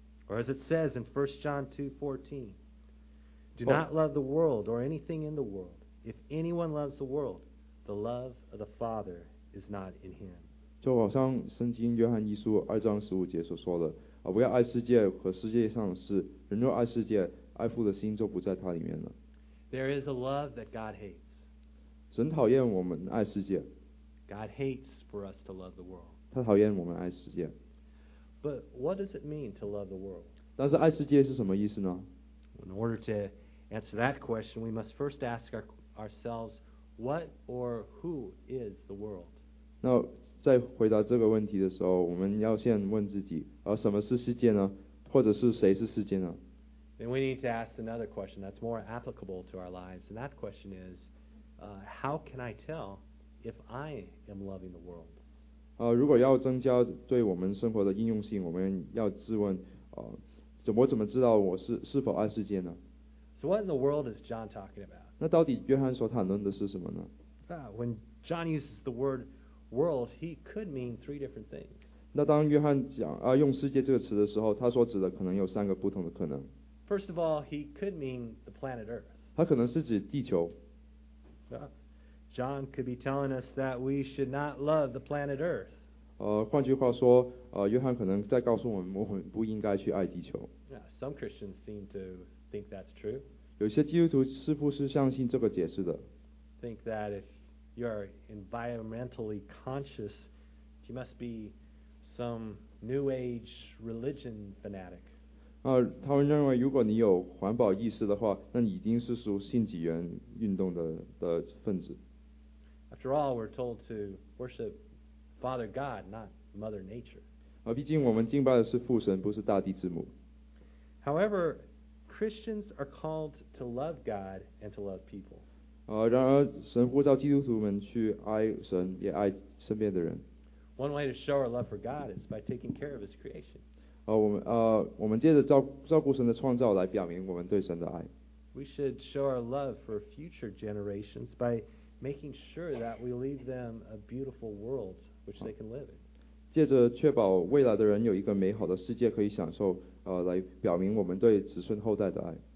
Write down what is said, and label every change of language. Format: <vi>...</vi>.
<en>Or as it says in 1 John 2:14, do not love the world or anything in the world. If anyone loves the world, the love of the Father is not in him.</en> <zh>就好像圣经约翰一书二章十五节所说的，不要爱世界和世界上的事。人若爱世界，爱父的心就不在他里面了。</zh> <en>There is a love that God hates.</en> <zh>神讨厌我们爱世界。</zh> <en>God hates for us to love the world.</en> <zh>他讨厌我们爱世界。</zh> <en>But what does it mean to love the world?</en> <zh>但是爱世界是什么意思呢？</zh> <en>In order to answer that question, we must first ask ourselves, what or who is the world?</en> <zh>那在回答这个问题的时候，我们要先问自己，什么是世界呢？或者是谁是世界呢？</zh> <en>Then we need to ask another question that's more applicable to our lives, and that question is, how can I tell if I am loving the world?</en> <zh>如果要增加对我们生活的应用性，我们要自问，怎么知道我是否爱世界呢？</zh> <en>So what in the world is John talking about?</en> <zh>那到底约翰所谈论的是什么呢？</zh> <en>When John uses the word world, he could mean three different things.</en> <zh>那当约翰讲啊用世界这个词的时候，他所指的可能有三个不同的可能。</zh> <en>First of all, he could mean the planet Earth.</en> <zh>他可能是指地球。</zh> <en>John could be telling us that we should not love the planet Earth.</en> <zh>换句话说，约翰可能在告诉我们，我们不应该去爱地球。</zh> <en>Yeah, some Christians seem to think that's true.</en> <zh>有些基督徒似乎是相信这个解释的。</zh> <en>Think that if you are environmentally conscious, you must be some New Age religion fanatic.</en> <zh>他们认为如果你有环保意识的话，那你一定是属新纪元运动 的分子。</zh> <en>After all, we're told to worship Father God, not Mother Nature.</en> <zh>毕竟我们敬拜的是父神，不是大地之母。</zh> <en>However, Christians are called to love God and to love people.</en> <zh>然而神呼召基督徒们去爱神，也爱身边的人。</zh> <en>One way to show our love for God is by taking care of His creation.</en> <zh>我们借着照顾神的创造来表明我们对神的爱。</zh> <en>We should show our love for future generations by making sure that we leave them a beautiful world which they can live in.</en> <zh>借着确保未来的人有一个美好的世界可以享受，来表明我们对子孙后代的爱。</zh>